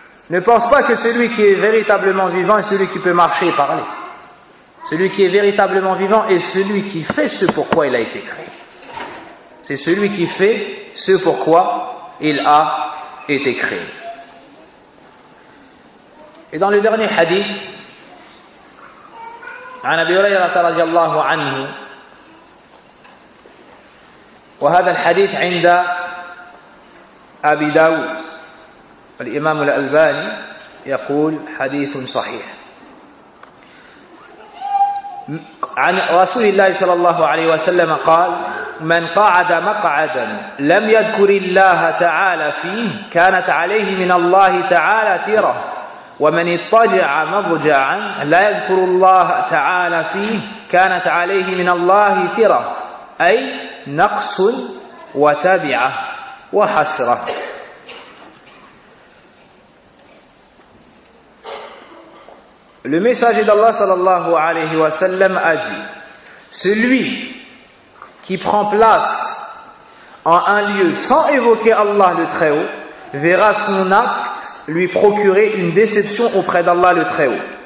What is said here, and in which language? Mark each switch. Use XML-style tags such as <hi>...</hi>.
<fr>Ne pense pas que celui qui est véritablement vivant est celui qui peut marcher et parler. Celui qui est véritablement vivant est celui qui fait ce pourquoi il a été créé. C'est celui qui fait ce pourquoi il a été créé. Et dans le dernier hadith,</fr> <ar>عن أبي هريرة رضي الله عنه وهذا الحديث عند أبي داود الإمام الألباني يقول حديث صحيح عن رسول الله صلى الله عليه وسلم قال من قعد مقعدا لم يذكر الله تعالى فيه كانت عليه من الله تعالى تيرة ومن اضطجع مضجعا لا يذكر الله تعالى فيه كانت عليه من الله ترة أي نقص وتبعة وحسرة.</ar> <fr>Le message d'Allah صلى الله عليه وسلم a dit: celui qui prend place en un lieu sans évoquer Allah le Très-Haut verra son acte lui procurer une déception auprès d'Allah le Très-Haut.</fr>